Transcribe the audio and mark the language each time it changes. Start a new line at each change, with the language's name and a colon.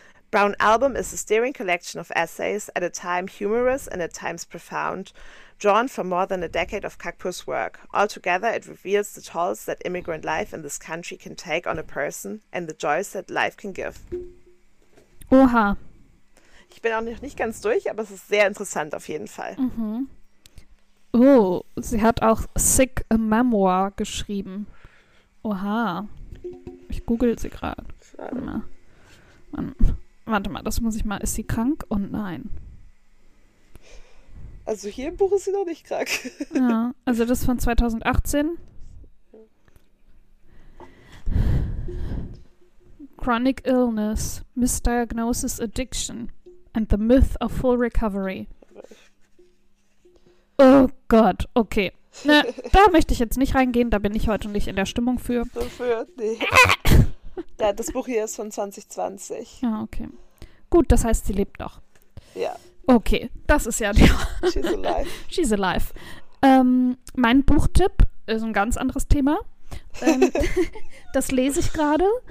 English: Brown Album is a stirring collection of essays, at a time humorous and at times profound, drawn from more than a decade of Kakpur's work. Altogether, it reveals the tolls that immigrant life in this country can take on a person and the joys that life can give.
German: Oha. Ich bin auch noch nicht ganz durch, aber es ist sehr interessant auf jeden Fall. Mhm. Oh, sie hat auch Sick a Memoir geschrieben. Oha. Ich google sie gerade. Warte mal, das muss ich mal. Ist sie krank? Und oh, nein. Also hier im Buch ist sie noch nicht krank. Ja, also das von 2018.
English: Chronic illness, misdiagnosis, addiction and the myth of full recovery.
German: Oh Gott, okay. Ne, da möchte ich jetzt nicht reingehen, da bin ich heute nicht in der Stimmung für. Wofür? Nee. Ja, das Buch hier ist von 2020. Ja, okay. Gut, das heißt, sie lebt doch. Ja. Okay, das ist ja die.
English: She's alive.
German: Mein Buchtipp ist ein ganz anderes Thema. Das lese ich gerade.